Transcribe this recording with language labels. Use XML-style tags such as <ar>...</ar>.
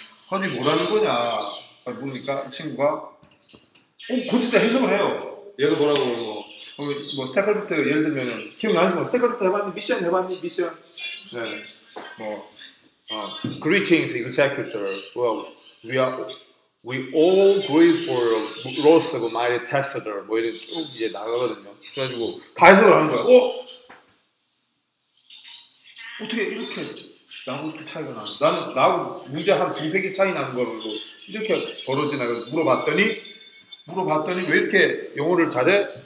<ko>아니 뭐라는 거냐? 모르니까 친구가 그거 진짜 해석을 해요. 얘가 뭐라고 뭐 스타크래프트 예를 들면 기억나는지 뭐 스타크래프트 해봤니? 미션 해봤니? 미션 네 뭐</ko> <en>Greetings, Executor. Well, we all grieve for loss of my testator.</en> <ko>뭐 이런 쭉 이제 나가거든요. 그래가지고 다 해석을 하는 거야. 어떻게 이렇게 나하고 이렇게 차이가 나는? 나하고 문제 한 두세 개 차이 나는 걸 뭐 이렇게 벌어지나 물어봤더니 왜 이렇게 영어를 잘해?</ko>